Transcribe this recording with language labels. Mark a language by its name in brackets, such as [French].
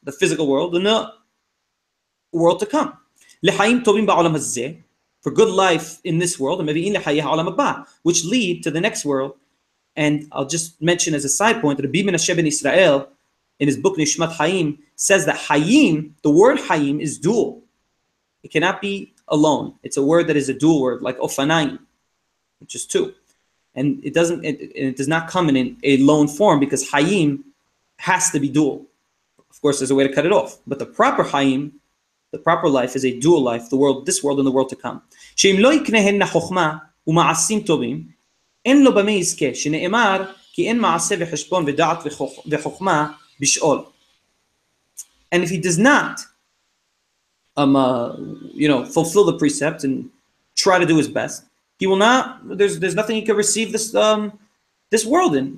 [English] The physical world and the world to come. [Hebrew] לחיים טובים בעולם הזה, [English] for good life in this world, [Hebrew] ומביאים לחיי העולם הבא, [English] which lead to the next world. And I'll just mention as a side point, Rabbi Menashe ben Israel, in his book Nishmat Chaim, says that Chaim, the word Chaim is dual. It cannot be alone. It's a word that is a dual word, like Ofanayim, which is two. And it does not come in a lone form, because Chaim has to be dual. Of course, there's a way to cut it off. But the proper Chaim, the proper life is a dual life, the world, this world and the world to come. [Hebrew] שאם לא יקנהן חוכמה ומעשים טובים, אין לו במה יזכה, שנאמר כי אין מעשה וחשבון ודעת וחוכמה בשאול. [English] And if he does not fulfill the precept and try to do his best, he will not, there's nothing he can receive this world in.